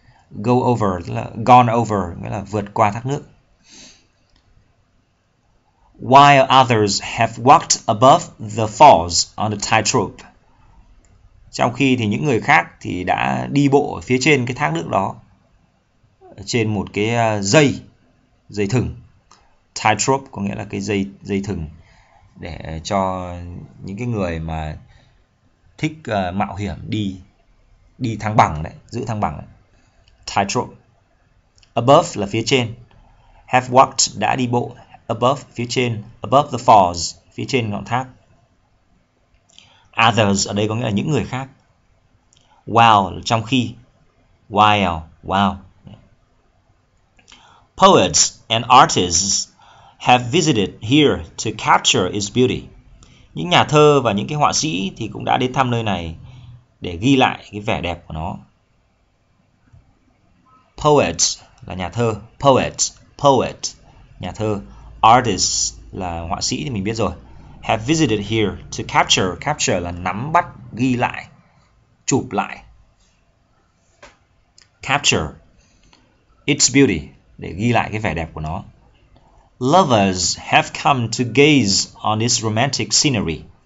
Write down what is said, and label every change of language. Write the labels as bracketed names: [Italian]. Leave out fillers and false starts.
[Vietnamese] Go over là gone over, nghĩa là vượt qua thác nước. [English] While others have walked above the falls on the tightrope. [Vietnamese] Trong khi thì những người khác thì đã đi bộ ở phía trên cái thác nước đó, trên một cái dây thừng. Tightrope có nghĩa là cái dây thừng để cho những cái người mà thích mạo hiểm đi thăng bằng đấy, giữ thăng bằng đấy. Tightrope. Above là phía trên. Have walked đã đi bộ. Above, phía trên. Above the falls, phía trên ngọn thác. Others ở đây có nghĩa là những người khác. While là trong khi. While. [English] Poets and artists have visited here to capture its beauty. [Vietnamese] Những nhà thơ và những cái họa sĩ thì cũng đã đến thăm nơi này để ghi lại cái vẻ đẹp của nó. Poets là nhà thơ. Poet, nhà thơ. Artists là họa sĩ thì mình biết rồi. [English] Have visited here to capture. [Vietnamese] Capture là nắm bắt, ghi lại, chụp lại. Capture its beauty, để ghi lại cái vẻ đẹp của nó. [English] Lovers have come to gaze on this romantic scenery.